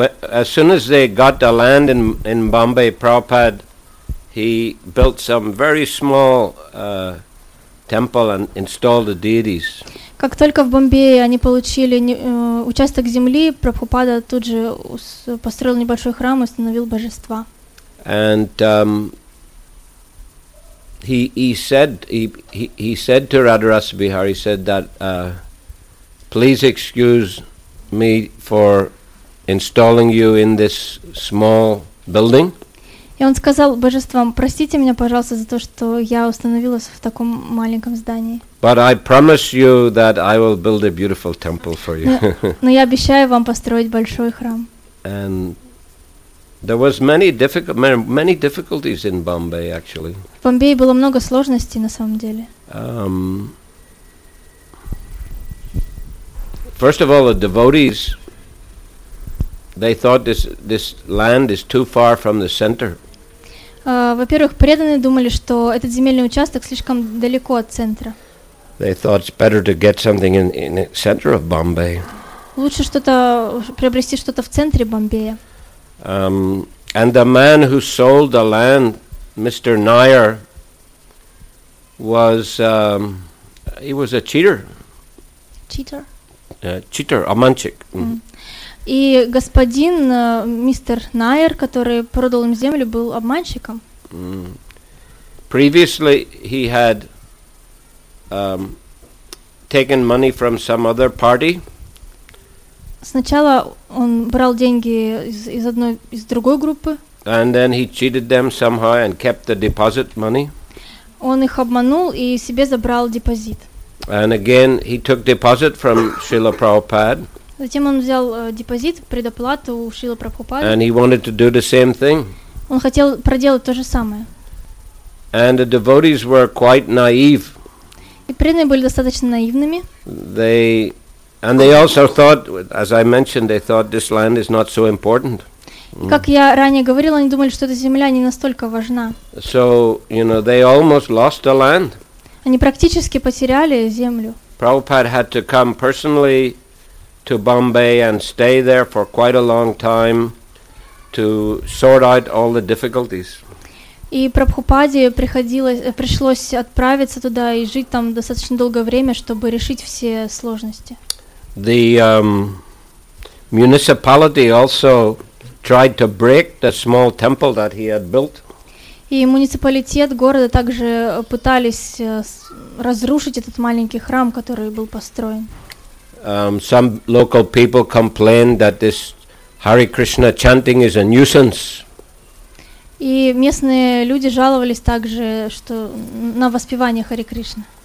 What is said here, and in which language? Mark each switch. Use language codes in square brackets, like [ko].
[en] As soon as they got the land in Bombay, Prabhupada, he built some very small temple and installed the deities. [ru] Как только в Бомбее они получили участок земли, Прабхупада тут же построил небольшой храм и установил божества. [en] And he said to Radharasa Bihari, he said that please excuse me for installing you in this small building. [ru] И он сказал божествам, простите меня, пожалуйста, за то, что я установилась в таком маленьком здании. [en] But I promise you that I will build a beautiful temple for you. [ru] Но я обещаю вам построить большой храм. [en] And there was many difficulties in Bombay, actually. [ru] В Бомбее было много сложностей на самом деле. [en] First of all, the devotees, they thought this land is too far from the center. [ru] Во-первых, преданные думали, что этот земельный участок слишком далеко от центра. [en] They thought it's better to get something in the center of Bombay. [ru] Лучше что-то приобрести что-то в центре Бомбея. [en] And the man who sold the land, Mr. Nair, was a cheater. Cheater. Cheater, [ru] обманщик. И господин мистер Найер, который продал им землю, был обманщиком. [en] Previously he had taken money from some other party. [ru] Сначала он брал деньги из другой группы. [en] And then he cheated them somehow and kept the deposit money. [ru] Он их обманул и себе забрал депозит. [en] And again he took deposit from Srila Prabhupada. [ru] Затем он взял депозит, предоплату у Шрилы Прабхупады. [en] And he wanted to do the same thing. [ru] Он хотел проделать то же самое. [en] And the devotees were quite naive. [ru] И преданные были достаточно наивными. [en] They also thought, as I mentioned, they thought this land is not so important. [ru] И как я ранее говорила, они думали, что эта земля не настолько важна. [en] So, you know, they almost lost the land. [ru] Они практически потеряли землю. [en] Prabhupada had to come personally to Bombay and stay there for quite a long time to sort out all the difficulties. [ru] И Прабхупаде пришлось отправиться туда и жить там достаточно долгое время, чтобы решить все сложности. [en] The municipality also tried to break the small temple that he had built. [ru] И муниципалитет города также пытались разрушить этот маленький храм, который был построен. [en] Some local people complained that this Hare Krishna chanting is a nuisance. [ru] И местные люди жаловались также, что на воспевание Харе Кришна.